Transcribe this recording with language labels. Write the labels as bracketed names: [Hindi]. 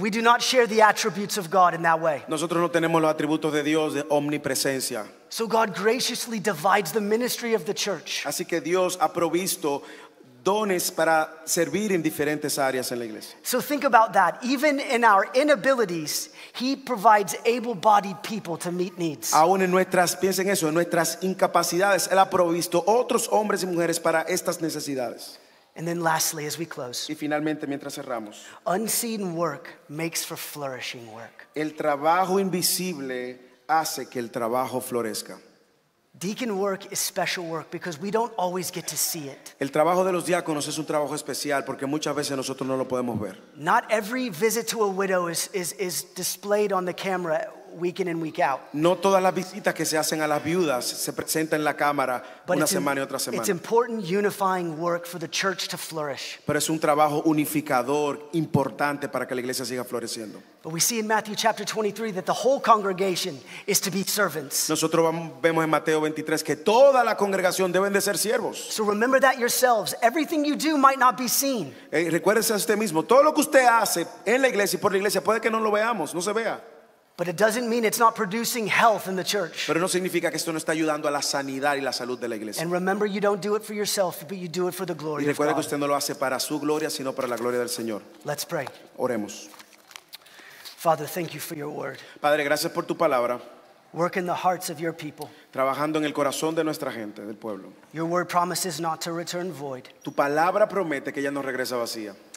[English] We do not share the attributes of God in that way. [Spanish] Nosotros no tenemos los atributos de Dios de omnipresencia. [English] So God graciously divides the ministry of the church. [Spanish] Así que Dios ha provisto dones para servir en diferentes áreas en la iglesia. [English] So think about that. Even in our inabilities, He provides able-bodied people to meet needs. [Spanish] Aún en nuestras, piensen eso, en nuestras incapacidades, Él ha provisto otros hombres y mujeres para estas necesidades. [English] And then lastly, as we close. [Spanish] Y finalmente, mientras cerramos. [English] Unseen work makes for flourishing work. [Spanish] El trabajo invisible hace que el trabajo florezca. [English] Deacon work is special work because we don't always get to see it. [Spanish] El trabajo de los diáconos es un trabajo especial porque muchas veces nosotros no lo podemos ver. [English] Not every visit to a widow is displayed on the camera week in and week out. [Spanish] No todas las visitas que se hacen a las viudas se presentan en la cámara una semana y otra semana. [English] It's important unifying work for the church to flourish. [Spanish] Pero es un trabajo unificador importante para que la iglesia siga floreciendo. [English] But we see in Matthew chapter 23 that the whole congregation is to be servants. [Spanish] Nosotros vemos en Mateo 23 que toda la congregación deben de ser siervos. [English] So remember that yourselves. Everything you do might not be seen. [Spanish] Recuérdese a usted mismo. Todo lo que usted hace en la iglesia y por la iglesia puede que no lo veamos, no se vea. [English] But it doesn't mean it's not producing health in the church. [Spanish] Pero no significa que esto no está ayudando a la sanidad y la salud de la iglesia. [English] And remember, you don't do it for yourself, but you do it for the glory of God. [Spanish] Y recuerde que usted no lo hace para su gloria, sino para la gloria del Señor. [English] Let's pray. [Spanish] Oremos. [English] Father, thank you for your word. [Spanish] Padre, gracias por tu palabra. [English] Work in the hearts of your people. [Spanish] Trabajando en el corazón de nuestra gente, del pueblo. [English] Your word promises not to return void. [Spanish] Tu palabra promete que ya no regresa vacía.